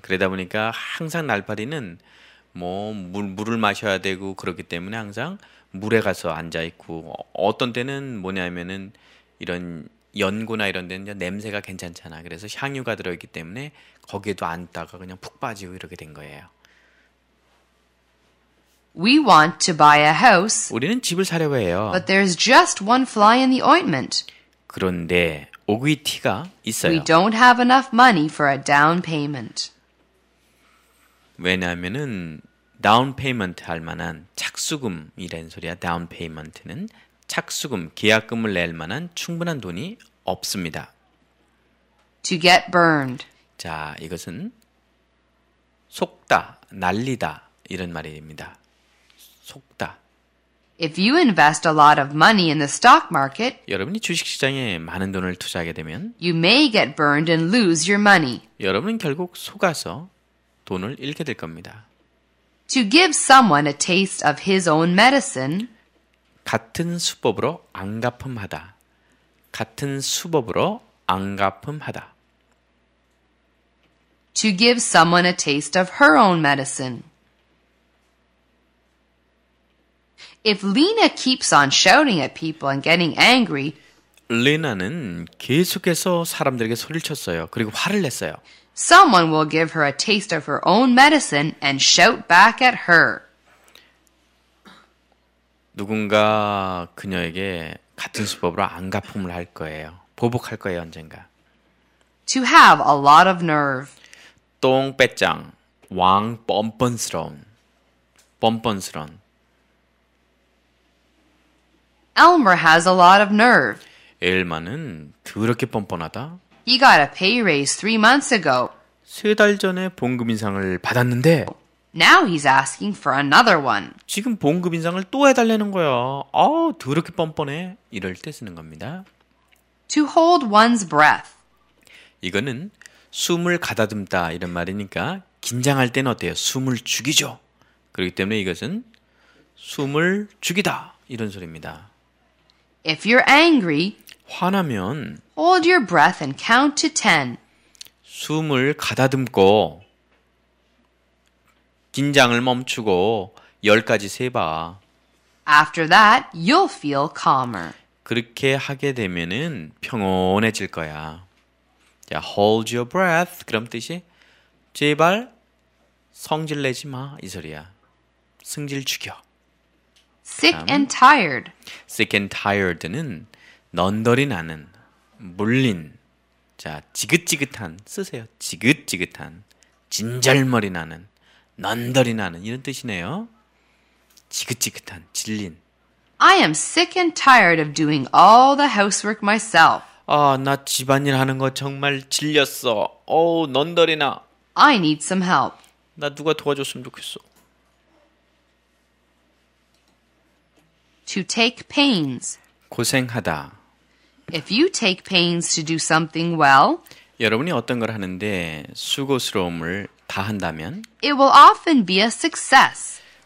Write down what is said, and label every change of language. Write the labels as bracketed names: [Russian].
[Korean] 그러다 보니까 항상 날파리는 뭐 물을 마셔야 되고 그렇기 때문에 항상 물에 가서 앉아 있고 어떤 때는 뭐냐면은 이런 연고나 이런 데는 냄새가 괜찮잖아. 그래서 향유가 들어있기 때문에 거기에도 앉다가 그냥 푹 빠지고 이렇게 된 거예요. [English] We want to buy a house. [Korean] 우리는 집을 사려고 해요. [English] But there's just one fly in the ointment. [Korean] 그런데 오귀티가 있어요. [English] We don't have enough money for a down payment. [Korean] 왜냐하면은 down payment 할 만한 착수금이라는 소리야. down payment는 착수금, 계약금을 낼 만한 충분한 돈이 없습니다. [English] To get burned. [Korean] 자, 이것은 속다, 날리다 이런 말입니다. 속다. [English] If you invest a lot of money in the stock market, [Korean] 여러분이 주식시장에 많은 돈을 투자하게 되면, [English] you may get burned and lose your money. [Korean] 여러분은 결국 속아서 돈을 잃게 될 겁니다. [English] To give someone a taste of his own medicine, [Korean] 같은 수법으로 안갚음하다. 같은 수법으로 안갚음하다. [English] To give someone a taste of her own medicine. If Lena keeps on shouting at people and getting angry, [Korean] Lena는 계속해서 사람들에게 소리를 쳤어요. 그리고 화를 냈어요. [English] Someone will give her a taste of her own medicine and shout back at her. [Korean] 누군가 그녀에게 같은 수법으로 안갚음을 할 거예요. 보복할 거예요, 언젠가. [English] To have a lot of nerve. [Korean] 똥배짱, 왕 뻔뻔스러운, 뻔뻔스러운. [English] Elmer has a lot of nerve. [Korean] 엘마는 더럽게 뻔뻔하다. [English] He got a pay raise 3 months ago. [Korean] 세 달 전에 봉급 인상을 받았는데. [English] Now he's asking for another one. [Korean] 지금 봉급 인상을 또 해달라는 거야. 아우, 더럽게 뻔뻔해. 이럴 때 쓰는 겁니다. [English] To hold one's breath. [Korean] 이거는 숨을 가다듬다 이런 말이니까 긴장할 때는 어때요? 숨을 죽이죠. 그렇기 때문에 이것은 숨을 죽이다. 이런 소리입니다. [English] If you're angry, [Korean] 화나면 [English] hold your breath and count to 10. [Korean] 숨을 가다듬고 긴장을 멈추고 10까지 세 봐. [English] After that, you'll feel calmer. [Korean] 그렇게 하게 되면은 평온해질 거야. [English] 자, hold your breath. [Korean] 그럼 뜻이 제발 성질 내지 마. 이 소리야. 성질 죽여. [English] Sick and tired. Sick and tired [Korean] 는 넌더리 나는, 물린, 자 지긋지긋한 쓰세요. 지긋지긋한, 진절머리 나는, 넌더리 나는 이런 뜻이네요. 지긋지긋한, 질린. [English] I am sick and tired of doing all the housework myself. [Korean] 아, 나 집안일 하는 거 정말 질렸어. 오, 넌더리 나. [English] I need some help. [Korean] 나 누가 도와줬으면 좋겠어. [English] To take pains. [Korean] 고생하다. [English] If you take pains to do something well, [Korean] 여러분이 어떤 걸 하는데 수고스러움을 다한다면, [English] it will often be a success.